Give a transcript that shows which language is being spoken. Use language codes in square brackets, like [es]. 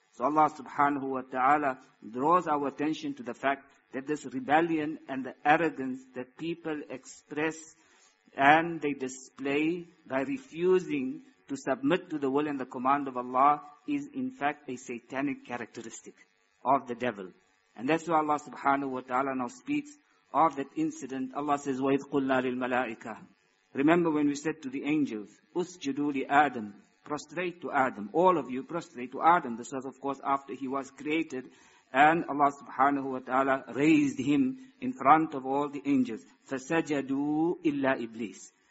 [en] So Allah subhanahu wa ta'ala draws our attention to the fact that this rebellion and the arrogance that people express and they display by refusing to submit to the will and the command of Allah is in fact a satanic characteristic of the devil. And that's why Allah subhanahu wa ta'ala now speaks of that incident. Allah says, [ar] وَإِذْ قُلْنَا لِلْمَلَائِكَةِ. [en] Remember when we said to the angels, [ar] أُسْجُدُوا لِآدَمْ. [en] Prostrate to Adam. All of you prostrate to Adam. This was of course after he was created and Allah subhanahu wa ta'ala raised him in front of all the angels. [ar] فَسَجَدُوا إِلَّا إِبْلِيسِ.